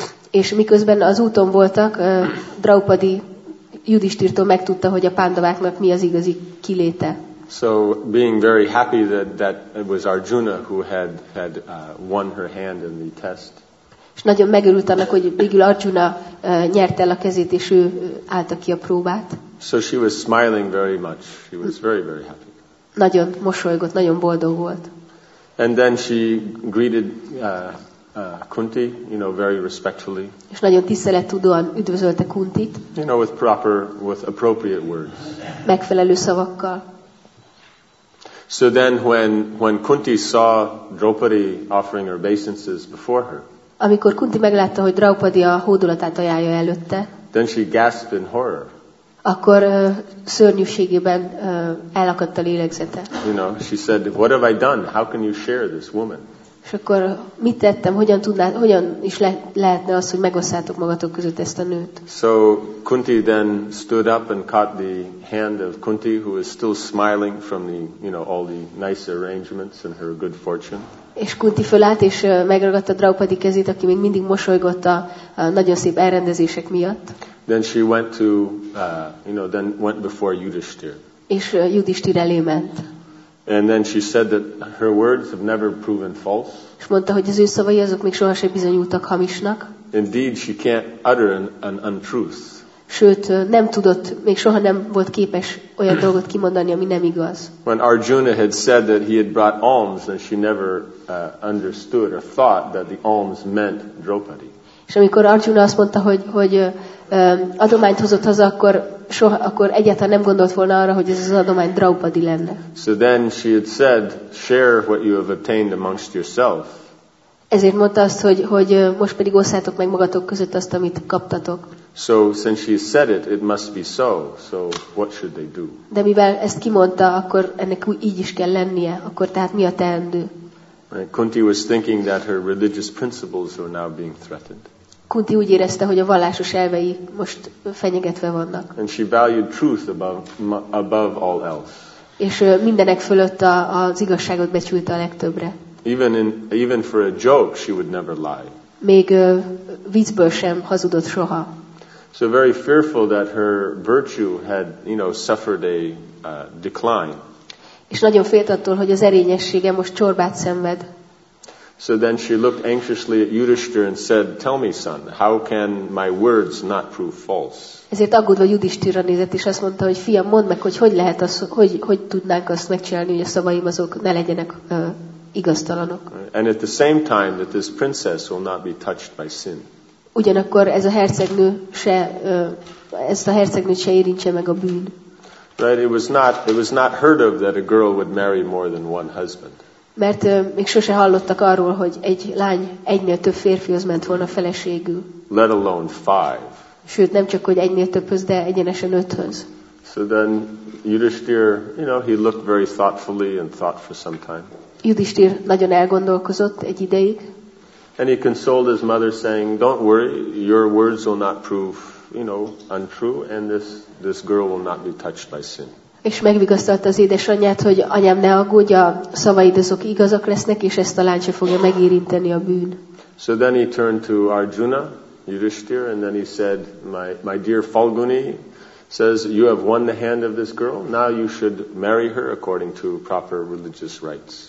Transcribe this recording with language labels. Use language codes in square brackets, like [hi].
[hu] És miközben az úton voltak, Draupadi Yudhishthirtől megtudta, hogy a Pandaváknak mi az igazi kiléte. [en] So being very happy that it was Arjuna who had won her hand in the test. [hu] És nagyon megörült annak, hogy végül Arjuna nyerte el a kezét, és ő állta ki a próbát. [en] So she was smiling very much. She was very, very happy. [hu] Nagyon mosolygott, nagyon boldog volt. [en] And then she greeted Kunti, you know, very respectfully. [hu] És nagyon tisztelettudóan üdvözölte Kuntit. [en] You know, with appropriate words. [hu] Megfelelő szavakkal. [en] So then when Kunti saw Draupadi offering her obeisances before her. [hu] Amikor Kunti meglátta, hogy Draupadi a hódolatát ajánlja előtte. [en] Then she gasped in horror. [hu] Akkor szörnyűségében elakadt a lélegzete. [en] You know, she said, "What have I done? How can you share this woman?" [hu] És akkor mit tettem? Hogyan tudnád? Hogyan is lehetne az, hogy megosztátok magatok között ezt a nőt? [en] So Kunti then stood up and caught the hand of Kunti, who was still smiling from the, you know, all the nice arrangements and her good fortune. [hu] És Kunti fölállt és megragadta Draupadi kezét, aki még mindig mosolygott a nagyon szép elrendezések miatt. [en] Then she went to, you know, then went before Yudhishthir. [hu] És Yudhishthir elé ment. [en] And then she said that her words have never proven false. [hu] És mondta, hogy az ő szavai azok még sohasem bizonyultak hamisnak. [en] Indeed, she can't utter an untruth. [hu] Sőt, nem tudott, még soha nem volt képes olyan dolgot kimondani, ami nem igaz. [en] When Arjuna had said that he had brought alms, then she never understood or thought that the alms meant Draupadi. [hu] És amikor Arjuna azt mondta, hogy adományt hozott haza, akkor egyáltalán nem gondolt volna arra, hogy ez az adomány Draupadi lenne. [en] So then she had said, share what you have obtained amongst yourself. [hu] Ezért mondta azt, hogy most pedig osszátok meg magatok között azt, amit kaptatok. [en] So since she said it must be so. So what should they do? [hu] De mivel ezt kimondta, akkor ennek így is kell lennie, akkor tehát mi a teendő? [en] Kunti was thinking that her religious principles were now being threatened. [hu] Kunti úgy érezte, hogy a vallásos elvei most fenyegetve vannak. [en] And she valued truth above all else. [hu] És mindenek fölött az igazságot becsülte a legtöbbre. [en] Even for a joke she would never lie. [hu] Még viccből sem hazudott soha. [en] So very fearful that her virtue had, you know, suffered a decline. [hu] És nagyon félt attól, hogy az erényessége most csorbát szenved. [en] So then she looked anxiously at Yudhishthir and said, "Tell me, son, how can my words not prove false?" [hu] Ezért aggódva Yudhishthirra nézett, és azt mondta, hogy fiam, mondd meg, hogy lehet az, hogy tudnánk azt megcsinálni, hogy a szavaim azok ne legyenek igaztalanok. [en] And at the same time that this princess will not be touched by sin. [hu] Ugyanakkor ez a hercegnő ezt a hercegnőt se érintse meg a bűn. [en] Right, it was not heard of that a girl would marry more than one husband. [hu] Mert még sose hallottak arról, hogy egy lány egynél több férfihoz ment volna feleségül. [en] Let alone five. [hu] Sőt, nem csak, hogy egynél többhöz, de egyenesen öthöz. [en] So then Yudhishthir, you know, he looked very thoughtfully and thought for some time. [hu] Yudhishthir nagyon elgondolkozott egy ideig. [en] And he consoled his mother saying, "Don't worry, your words will not prove, you know, untrue, and this girl will not be touched by sin." [hu] És megvigasztalta az édesanyját, hogy anyám, ne aggódj, a szavaid azok igazak lesznek, és ezt a lány se fogja megérinteni a bűn. [en] So then he turned to Arjuna, Yudhishthir, and then he said, my dear Falguni says, you have won the hand of this girl, now you should marry her according to proper religious rites.